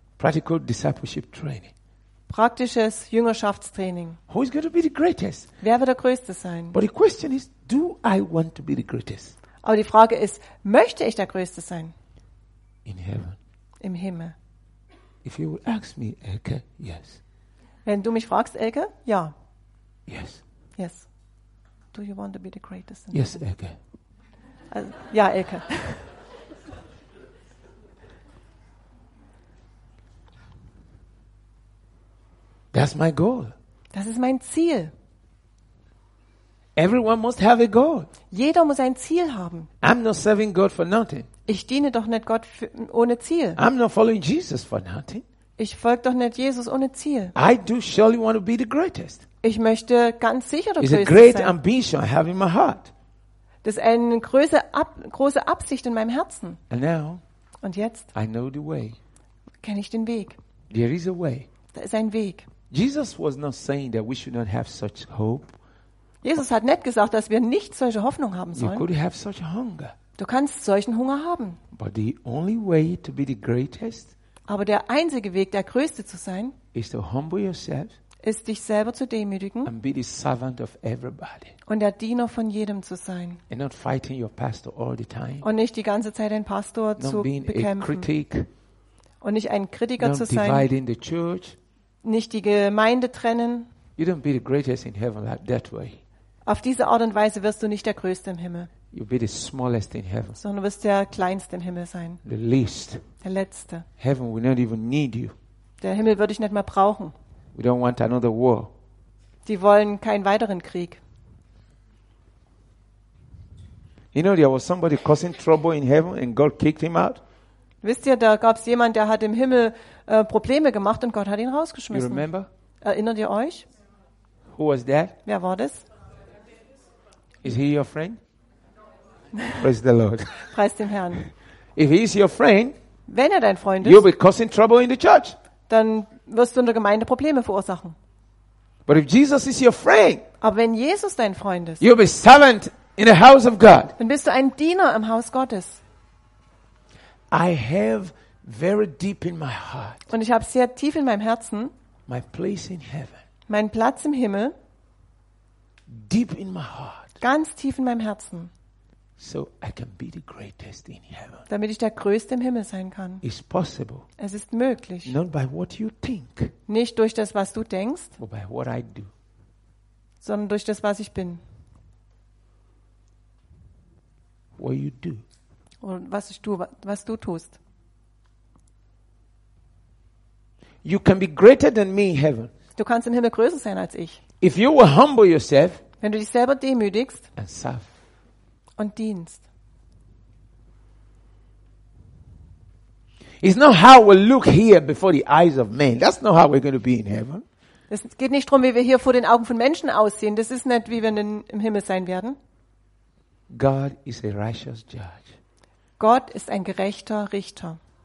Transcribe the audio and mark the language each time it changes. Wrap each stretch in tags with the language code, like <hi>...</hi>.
<en>Practical discipleship training.</en> <de>Praktisches Jüngerschaftstraining.</de> <en>Who is going to be the greatest?</en> <de>Wer wird der Größte sein?</de> <en>But the question is, do I want to be the greatest?</en> <de>Aber die Frage ist, möchte ich der Größte sein?</de> <en>In heaven.</en> <de>Im Himmel.</de> <en>If you ask me, Elke, yes.</en> <de>Wenn du mich fragst, Elke, ja.</de> <en>Yes. Yes. Do you want to be the greatest? In yes, heaven? Elke.</en> <de>Also, ja, Elke.</de> <en>That's my goal.</en> <de>Das ist mein Ziel.</de> <en>Everyone must have a goal.</en> <de>Jeder muss ein Ziel haben.</de> <en>I'm not serving God for nothing.</en> <de>Ich diene doch nicht Gott ohne Ziel.</de> <en>I'm not following Jesus for nothing.</en> <de>Ich folge doch nicht Jesus ohne Ziel.</de> <en>I do surely want to be the greatest.</en> <de>Ich möchte ganz sicher der Größte sein.</de> <en>It's a great ambition I have in my heart.</en> <de>Das ist eine große Absicht in meinem Herzen.</de> <en>And now,</en> <de>und jetzt,</de> <en>I know the way.</en> <de>Kenne ich den Weg.</de> <en>There is a way.</en> <de>Da ist ein Weg.</de> <en>Jesus was not saying that we should not have such hope.</en> <de>Jesus hat nicht gesagt, dass wir nicht solche Hoffnung haben sollen.</de> <en>You could have such hunger.</en> <de>Du kannst solchen Hunger haben.</de> <en>But the only way to be the greatest.</en> <de>Aber der einzige Weg, der Größte zu sein,</de> <en>is to humble yourself.</en> <de>Ist dich selber zu demütigen.</de> <en>And be the servant of everybody.</en> <de>Und der Diener von jedem zu sein.</de> <en>And not fighting your pastor all the time.</en> <de>Und nicht die ganze Zeit den Pastor</de> <en>not</en> <de>zu</de> <en>being</en> <de>bekämpfen.</de> <en>A critic.</en> <de>Und nicht ein Kritiker</de> <en>not</en> <de>zu sein.</de> <en>Not dividing the church.</en> <de>Nicht die Gemeinde trennen.</de> <en>You don't be the greatest in heaven like that way.</en> <de>Auf diese Art und Weise wirst du nicht der Größte im Himmel.</de> <en>You'll be the smallest in heaven.</en> <de>Sondern du wirst der Kleinste im Himmel sein.</de> <en>The least.</en> <de>Der Letzte.</de> <en>Heaven will not even need you.</en> <de>Der Himmel wird dich nicht mehr brauchen.</de> <en>We don't want another war.</en> <de>Die wollen keinen weiteren Krieg.</de> <en>You know, there was somebody causing trouble in heaven and God kicked him out.</en> <de>Wisst ihr, da gab es jemand, der hat im Himmel Probleme gemacht und Gott hat ihn rausgeschmissen.</de> <en>You remember?</en> <de>Erinnert ihr euch?</de> <en>Who was that?</en> <de>Wer war das?</de> <en>Is he your friend? Praise the Lord.</en> <de>Preist dem Herrn.</de> <en>If he is your friend,</en> <de>wenn er dein Freund ist,</de> <en>you'll be causing trouble in the church.</en> <de>Dann wirst du in der Gemeinde Probleme verursachen.</de> <en>But if Jesus is your friend,</en> <de>aber wenn Jesus dein Freund ist,</de> <en>you'll be servant in the house of God.</en> <de>Dann bist du ein Diener im Haus Gottes.</de> <en>I have very deep in my heart.</en> <de>Und ich habe sehr tief in meinem Herzen.</de> <en>My place in heaven.</en> <de>Mein Platz im Himmel.</de> <en>Deep in my heart.</en> <de>Ganz tief in meinem Herzen.</de> <en>So I can be the greatest in heaven.</en> <de>Damit ich der Größte im Himmel sein kann.</de> <en>It's possible.</en> <de>Es ist möglich.</de> <en>Not by what you think.</en> <de>Nicht durch das, was du denkst.</de> <en>But by what I do.</en> <de>Sondern durch das, was ich bin.</de> <en>What you do.</en> <de>Und was ich tue, was du tust.</de> <en>You can be greater than me in heaven.</en> <de>Du kannst im Himmel größer sein als ich.</de> <en>If you will humble yourself.</en> <de>Wenn du dich selber demütigst.</de> <en>And serve.</en> <de>Und dienst.</de> <en>It's not how we look here before the eyes of men. That's not how we're going to be in heaven.</en> <de>Es geht nicht darum, wie wir hier vor den Augen von Menschen aussehen. Das ist nicht, wie wir im Himmel sein werden.</de> <en>God is a righteous judge.</en> <de>Gott ist ein gerechter Richter.</de>